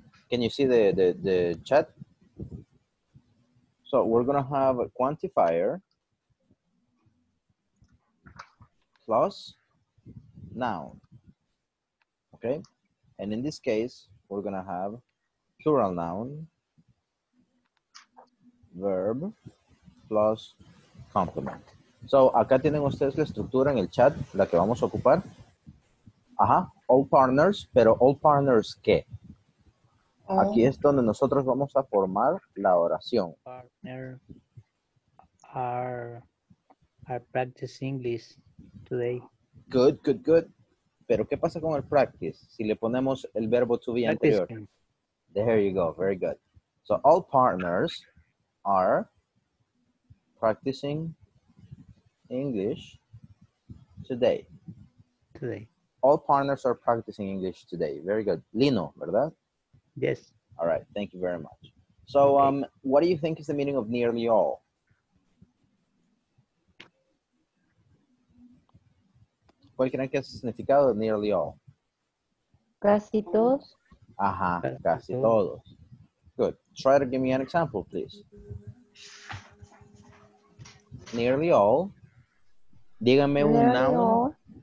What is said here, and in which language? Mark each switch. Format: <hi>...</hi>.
<en>Can you see the chat? So we're going to have a quantifier plus noun. Okay? And in this case, we're going to have plural noun, verb, plus complement.</en> <es>So, acá tienen ustedes la estructura en el chat, la que vamos a ocupar.</es> <en>Ajá, all partners, pero all partners, ¿qué? All.</en> <es>Aquí es donde nosotros vamos a formar la oración.</es> <en>Partners are practicing English today. Good, good, good.</en> <es>Pero, ¿qué pasa con el practice? Si le ponemos el verbo to be anterior.</es> <en>There you go, very good. So, all partners are practicing English today. Today. All partners are practicing English today. Very good. Lino, ¿verdad? Yes. All right. Thank you very much. So, okay. What do you think is the meaning of nearly all?</en> <es>¿Cuál creen que es el significado de nearly all? Casi todos.</es> <en>Ajá.</en> <es>Casi todos.</es> <en>Good. Try to give me an example, please. Nearly all.</en> <es>Díganme un noun.</es>